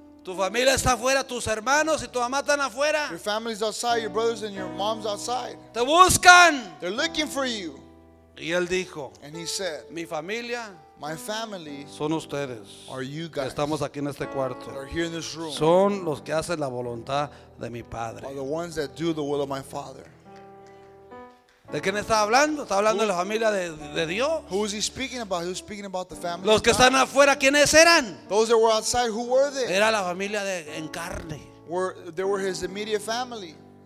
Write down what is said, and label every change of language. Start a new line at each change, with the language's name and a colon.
Spanish: Tu familia está afuera, tus hermanos y tu mamá están afuera.
English: Your family's outside, your brothers and your mom's outside.
Spanish: Te buscan.
English: They're looking for you.
Spanish: Y él dijo,
English: and he said,
Spanish: mi familia,
English: my family,
Spanish: son ustedes,
English: are you guys,
Spanish: estamos aquí en este cuarto,
English: are here in this room,
Spanish: son los que hacen la voluntad de mi padre,
English: are the ones that do the will of my father.
Spanish: ¿De quién está hablando? Está hablando de la familia de Dios.
English: Who is he speaking about? He was speaking about the family.
Spanish: Los que están afuera, ¿quiénes eran?
English: Those that were outside, who were they?
Spanish: Era la familia de en carne.
English: They were his immediate family.